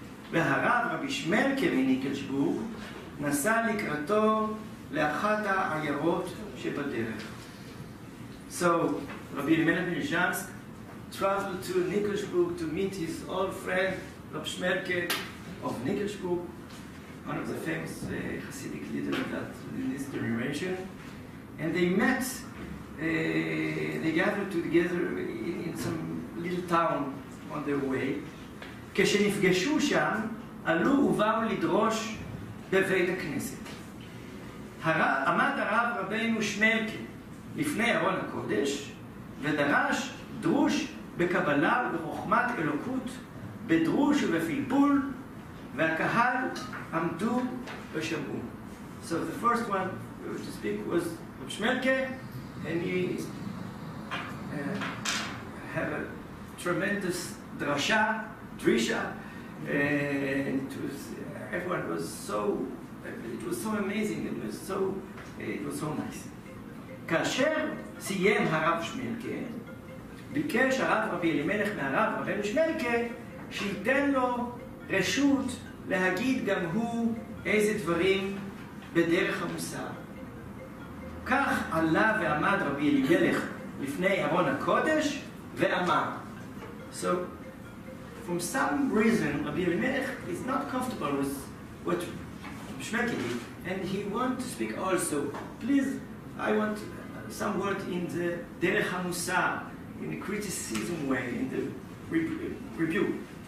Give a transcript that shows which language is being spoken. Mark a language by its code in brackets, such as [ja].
[he] והרב רבי שמלקה מניקלשבורג נסע לקראתו לאחת העיירות שבדרך. [en] So, רבי אלימלך מליז'נסק traveled to Nikolsburg to meet his old friend, רבי שמלקה of Nikolsburg, one of the famous Hasidic leaders of that in this generation. And they met, they gathered together in some little town on their way. [he] כשנפגשו שם, עלו ובאו לדרוש בבית הכנסת. עמד הרב רבינו שמלקה לפני ארון הקודש, ודרש דרוש בקבלה ובחוכמת אלוקות, בדרוש ובפלפול, והקהל עמדו ושמעו. [en] So the first one we were to speak was רב שמלקה, and he had a tremendous drasha, Trisha, and it was, everyone was so, it was so amazing, it was so nice. [he] כאשר סיים הרב שמלקה, ביקש הרב רבי אלימלך מהרב רבי שמלקה, שייתן לו רשות להגיד גם הוא איזה דברים בדרך המוסר. כך עלה ועמד רבי אלימלך לפני ארון הקודש ואמר. [en] So, from some reason, Rabbi Elimelech is not comfortable with what Shmelke did, and he wants to speak also. Please, I want some word in the Derech HaMusar, in the criticism way, in the review.